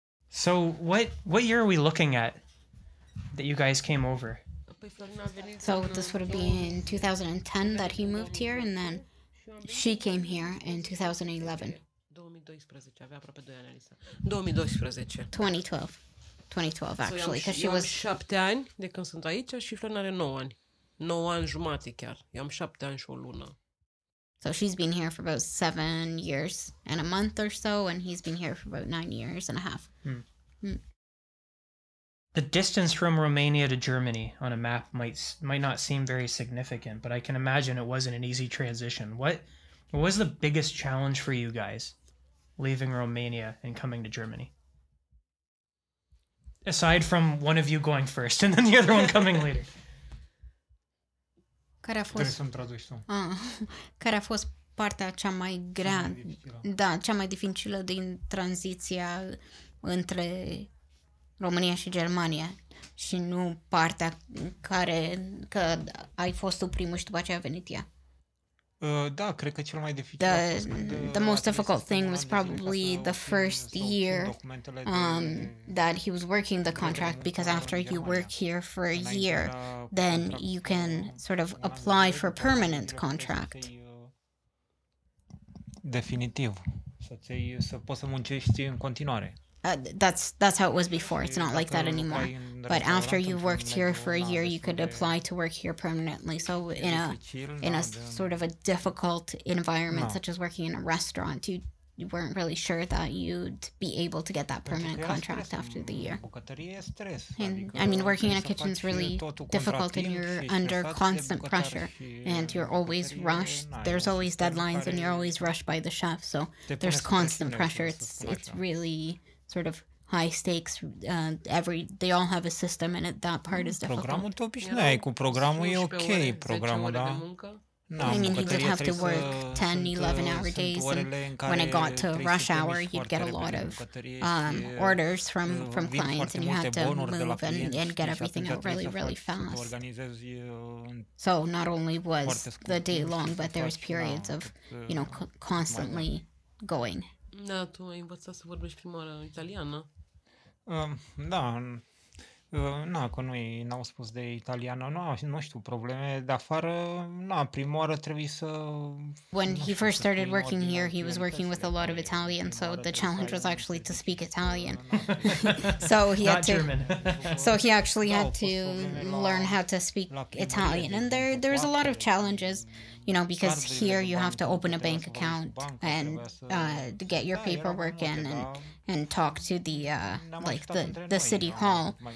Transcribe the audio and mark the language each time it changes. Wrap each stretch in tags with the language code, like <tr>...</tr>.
<en>So what year are we looking at that you guys came over? So this would have been 2010 that he moved here, and then she came here in 2011. 2012. 2012, actually, because she was...</en> <ro>Eu am 7 ani de când sunt aici și Florin are 9 ani. 9 ani jumate chiar. Eu am 7 ani și o lună.</ro> <en>So she's been here for about 7 years and a month or so, and he's been here for about 9 years and a half. The distance from Romania to Germany on a map might not seem very significant, but I can imagine it wasn't an easy transition. What was the biggest challenge for you guys leaving Romania and coming to Germany? Aside from one of you going first and then the other one coming later.</en> <ro>Care a fost... Trebuie să-mi traduci tu. Ah, care a fost partea cea mai grea, cea mai dificilă. Da, cea mai dificilă din tranziția între România și Germania și nu partea care că ai fost tu primul și după aceea a venit ea. Da, cred că cel mai dificil</ro> <en>the most difficult thing was probably the first year that he was working the contract, because after you work here for a year, then you can sort of apply for permanent contract.</en> <ro>Definitiv. Să poți să muncești în continuare.</ro> <en>That's how it was before. It's not like that anymore. But after you worked here for a year, you could apply to work here permanently. So in a sort of a difficult environment, such as working in a restaurant, you weren't really sure that you'd be able to get that permanent contract after the year. And, I mean, working in a kitchen is really difficult and you're under constant pressure and you're always rushed. There's always deadlines and you're always rushed by the chef. So there's constant pressure. It's really... sort of high stakes, they all have a system and it, that part is</en> <ro>programul</ro> <en>difficult.</en> <ro>Programul cu programul e ok, ore, programul, da.</ro> <en>No, I mean, he would have to work 10, 11 hour days, and when it got to rush hour, you'd get a lot of orders from clients, and you had to move and get everything out really, really fast. So not only was the day long, but there was periods of, you know, constantly going.</en> <ro>Da, tu ai învățat să vorbești prima oară italiană. Da, na, că n-au spus de italiană, nu știu, probleme de afară, na, prima oară trebuie să...</ro> <en>When he first started working here, he was working with a lot of Italian, so the challenge was actually to speak Italian. So he had to... Not German. So he actually had to learn how to speak Italian, and there was a lot of challenges. You know, because here you have to open a bank account and get your paperwork in and talk to the city hall.</en>